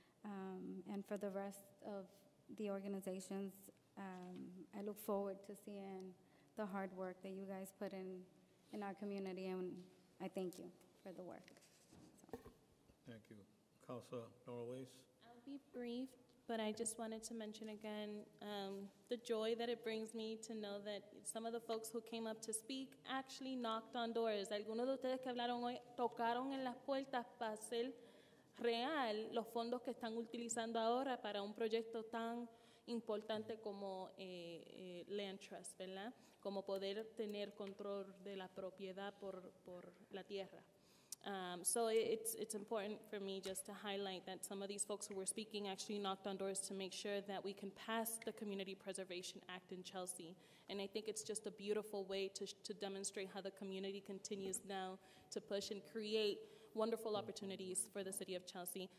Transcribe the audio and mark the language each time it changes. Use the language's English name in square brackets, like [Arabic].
[English] And for the rest of the organizations, I look forward to seeing the hard work that you guys put in our community, and I thank you for the work. So. Thank you. Councilor Norlis. I'll be brief, but I just wanted to mention again the joy that it brings me to know that some of the folks who came up to speak actually knocked on doors. [Spanish] Algunos de ustedes que hablaron hoy tocaron en las puertas para hacer real los fondos que están utilizando ahora para un proyecto tan importante como Land Trust, ¿verdad? Como poder tener control de la propiedad por la tierra. [English] So it's important for me just to highlight that some of these folks who were speaking actually knocked on doors to make sure that we can pass the Community Preservation Act in Chelsea. And I think it's just a beautiful way to demonstrate how the community continues now to push and create wonderful opportunities for the city of Chelsea.